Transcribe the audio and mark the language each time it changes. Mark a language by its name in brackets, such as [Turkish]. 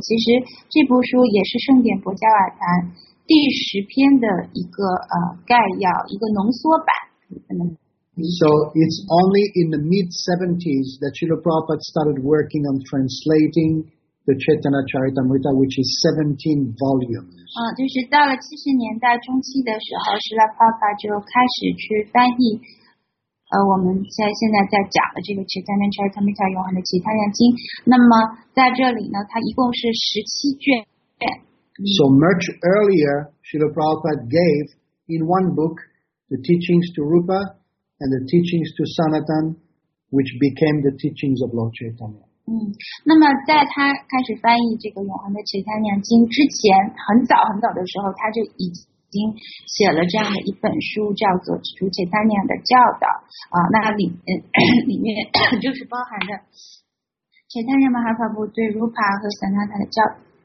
[Chinese] 其实这部书也是圣典薄伽瓦坛第十篇的一个概要一个浓缩版。 [English] So it's only in the mid-70s that Srila Prabhupada started working on translating the Chaitanya Charitamrita, which is 17 volumes. [Chinese] 就是到了70年代中期的时候 ,Srila Prabhupada 就开始去翻译我们现在讲的这个 Chaitanya Charitamrita 永恒的其他人经。那么在这里呢它一共是17卷。 [English] So much earlier, Srila Prabhupada gave in one book the teachings to Rupa,and the teachings to Sanatan, which became the teachings of Lord Chaitanya. [Chinese] 那么在他开始翻译这个永恒的 Chaitanya 经之前，很早很早的时候，他就已经写了这样的一本书，叫做《主 Chaitanya 的教导》那里面就是包含的 Chaitanya Mahaprabhu 对 Rupa 和 Sanatan 的教导。